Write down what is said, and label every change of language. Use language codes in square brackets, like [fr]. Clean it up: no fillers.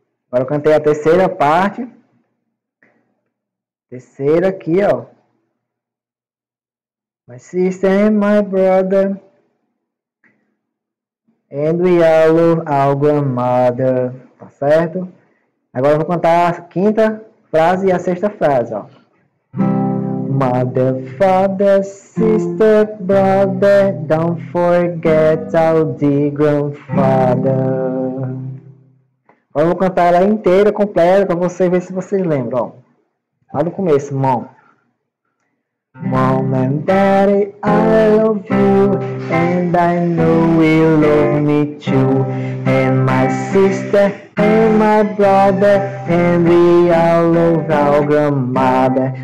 [pt] Agora eu cantei a terceira parte. Terceira aqui, ó. [en] My sister and my brother. And we all love our grandmother. Tá certo? [pt] Agora eu vou cantar a quinta frase e a sexta frase, ó. [en] Mother, father, sister, brother, don't forget our dear grandfather. [pt] Agora eu vou cantar ela inteira, completa, para você ver se vocês lembram. Lá no começo, mom. [en] Mom and daddy, I love you, and I know you love me too. And my sister, and my brother, and we all love our grandmother.